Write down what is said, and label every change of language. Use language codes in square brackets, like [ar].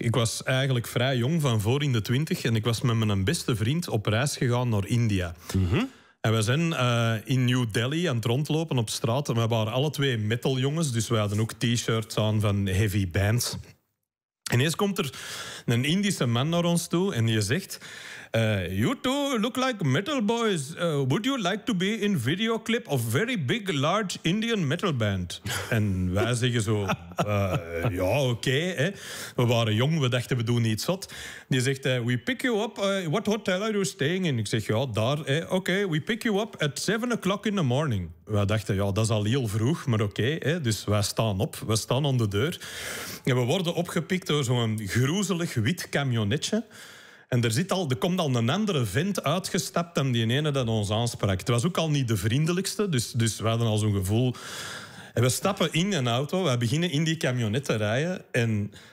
[nl] Ik was eigenlijk vrij jong, van voor in de 20. En ik was met mijn beste vriend op reis gegaan naar India. Mm-hmm. En we zijn in New Delhi aan het rondlopen op straat. En we waren alle twee metaljongens. Dus we hadden ook t-shirts aan van heavy bands. Ineens komt er een Indische man naar ons toe. En die zegt... [en] you two look like metal boys. Would you like to be in video clip of very big, large Indian metal band? [nl] En wij zeggen zo, oké. We waren jong, we dachten we doen iets zot. Die zegt, [en] we pick you up, what hotel are you staying in? [nl] Ik zeg, ja, daar. [en] Oké, we pick you up at 7:00 in the morning. [nl] Wij dachten, ja, dat is al heel vroeg, maar oké. Dus wij staan op, we staan aan de deur. En we worden opgepikt door zo'n groezelig wit camionetje. En er komt al een andere vent uitgestapt dan die ene dat ons aansprak. Het was ook al niet de vriendelijkste, dus we hadden al zo'n gevoel. En we stappen in een auto, we beginnen in die camionet te rijden. En